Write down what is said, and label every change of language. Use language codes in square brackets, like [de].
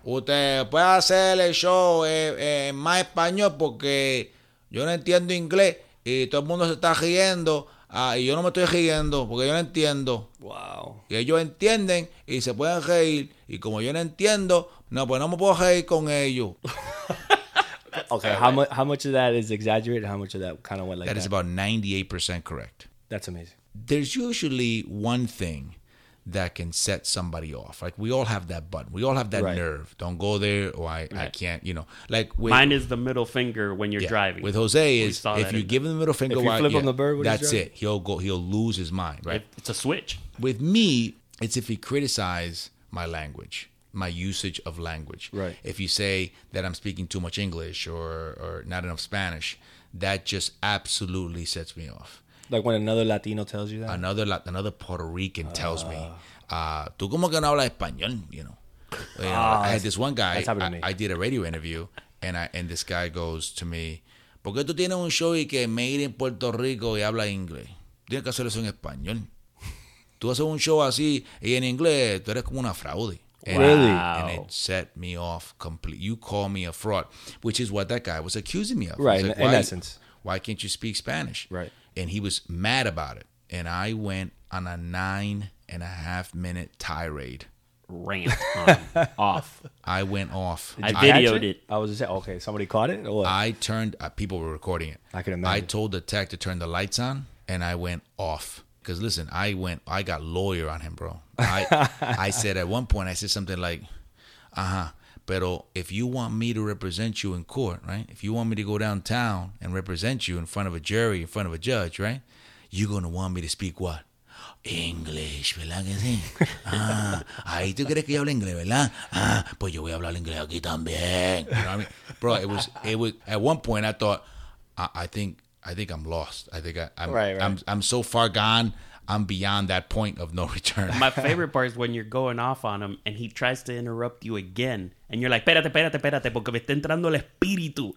[es] Usted puede hacer el show en más español porque yo no entiendo inglés y todo el mundo se está riendo. Y yo no me estoy riendo porque yo no entiendo. [en] Wow. [es] Y ellos entienden y se pueden reír. Y como yo no entiendo, no, pues no me puedo reír con ellos. [en] Okay, how much of that is exaggerated? How much of that kind of went like that? That is about 98% correct. That's amazing. There's usually one thing that can set somebody off. Like, we all have that button. We all have that nerve. Don't go there or I can't, you know. Like mine is the middle finger when you're driving. With Jose is, if you give him the middle finger, flip him the bird, that's it. He'll lose his mind, right? It's a switch. With me, it's if he criticizes my language. My usage of language. Right. If you say that I'm speaking too much English or not enough Spanish, that just absolutely sets me off. Like when another Latino tells you that? Another Puerto Rican tells me, [es] ¿tú cómo que no hablas español? [en] You know. I had this one guy. That's happened to me. I did a radio interview, and this guy goes to me, [es] ¿por qué tú tienes un show y que made in Puerto Rico y habla inglés? Tienes que hacerlo en español. Tú haces un show así y en inglés, tú eres como una fraude. [en] And, really? And it set me off completely. You call me a fraud, which is what that guy was accusing me of. Right, like, in essence. Why can't you speak Spanish? Right. And he was mad about it. And I went on a 9.5-minute tirade. Rant off. I went off. I videoed it. I was just saying, okay, somebody caught it? Or what? I turned, people were recording it. I can imagine. I told the tech to turn the lights on, and I went off. Because listen, I got lawyer on him, bro. I said at one point, I said something like, [es] pero [en] if you want me to represent you in court, right? If you want me to go downtown and represent you in front of a jury, in front of a judge, right? You're going to want me to speak what? English, [es] ¿verdad que sí? Ahí tú crees que yo hablo inglés, ¿verdad? Pues yo voy a hablar inglés aquí también. [en] You know what I mean? Bro, it was, at one point I thought, I think I'm lost. I'm so far gone. I'm beyond that point of no return. My favorite part is when you're going off on him and he tries to interrupt you again. And you're like, [es] espérate, porque me está entrando el espíritu.